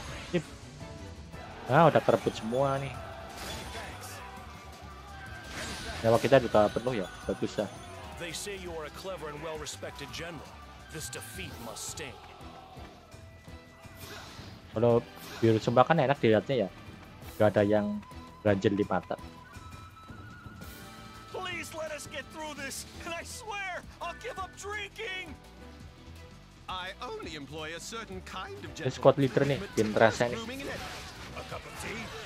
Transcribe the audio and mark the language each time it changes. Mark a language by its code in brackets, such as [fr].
[id] Sip. Nah, udah kerebut semua nih. Nyawa kita juga penuh ya, bagus ya. [en] They say you are a clever and well-respected general. This defeat must sting. [id] Kalau biru sembah kan enak dilihatnya ya, gak ada yang ganjel di mata. [en] Please let us get through this, and I swear I'll give up drinking. I only employ a certain kind of gentleman. [id] Squad leader nih, pinterasnya nih. [en] A cup of tea.